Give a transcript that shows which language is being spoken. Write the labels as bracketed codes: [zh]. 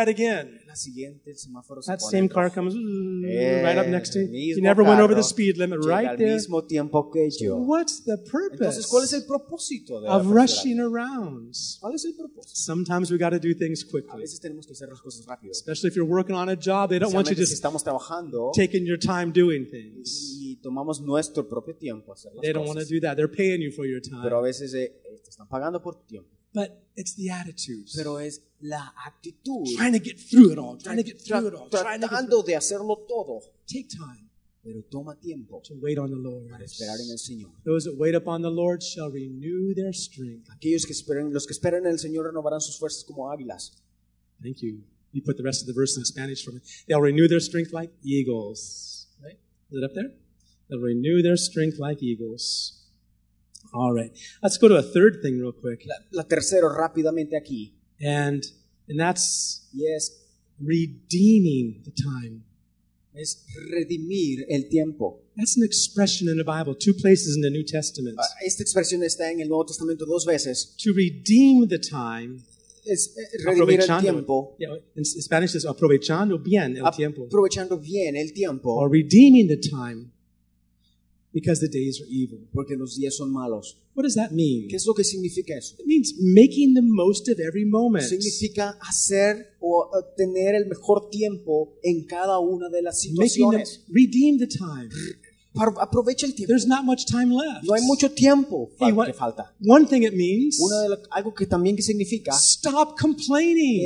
[en] Red again. [es] La siguiente, el semáforo [en] that [es] se pone [en] same car comes right up next to me. He never went over the speed limit. Right [es] llega [en] there. [es] Al mismo tiempo que yo. [en] So what's the purpose? [es] Entonces, ¿cuál es el propósito de [en] of rushing around? [es] ¿Cuál es el propósito? [en] Sometimes we got to do things quickly. [es] A veces tenemos que hacer las cosas rápido. [en] Especially if you're working on a job, they don't want you just taking your time doing things. [es] Y tomamos nuestro propio tiempo hacer las [en] they don't [es] cosas. [en] Want to do that. They're paying you for your time. [es] Pero a veces te están pagando por tu tiempo. [en] But it's the attitude. [es] Pero es la actitud. [en] Trying to get through it all. Trying to get through it all. [es] Tratando de hacerlo todo. [en] Take time. [es] Pero toma tiempo. [en] To wait on the Lord. [es] Para esperar en el Señor. [en] Those that wait upon the Lord shall renew their strength. [es] Aquellos que esperen, los que esperan en el Señor renovarán sus fuerzas como águilas. [en] Thank you. You put the rest of the verse in Spanish for me. They'll renew their strength like eagles. Right? Is it up there? They'll renew their strength like eagles. All right. Let's go to a third thing real quick. [es] La tercero, rápidamente aquí. [en] And that's yes, redeeming the time. [es] Es redimir el tiempo. [en] That's an expression in the Bible, 2 places in the New Testament. [es] Esta expresión está en el Nuevo Testamento 2 veces. [en] To redeem the time. [es] Es redimir el tiempo. [en] Yeah, in Spanish it's [es] aprovechando bien el tiempo. Aprovechando bien el tiempo. [en] Or redeeming the time. Because the days are evil. [es] Porque los días son malos. [en] What does that mean? [es] ¿Qué es lo que significa eso? [en] It means making the most of every moment. [es] Significa hacer o tener el mejor tiempo en cada una de las situaciones. [en] Redeem the time. [es] Aprovecha el tiempo. [en] There's not much time left. [es] No hay mucho tiempo que falta. [en] One thing it means. [es] Algo que también que significa. [en] Stop complaining.